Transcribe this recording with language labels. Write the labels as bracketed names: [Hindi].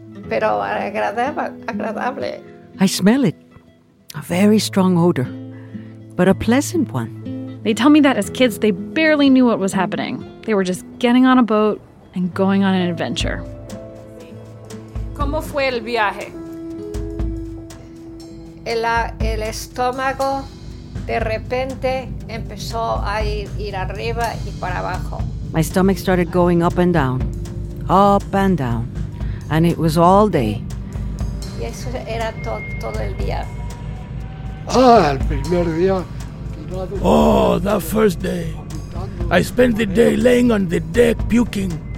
[Spanish] Pero agradable. [English] I smell it. A very strong odor. But a pleasant one. They tell me that as kids, they barely knew what was happening. They were just getting on a boat and going on an adventure. [Spanish] ¿Cómo fue el viaje? El estómago de repente empezó a ir arriba y para abajo. [English] My stomach started going up and down, up and down. And it was all day. [Spanish] Y eso era todo el día. Ah, el primer día. [English] Oh, the first day. I spent the day laying on the deck puking.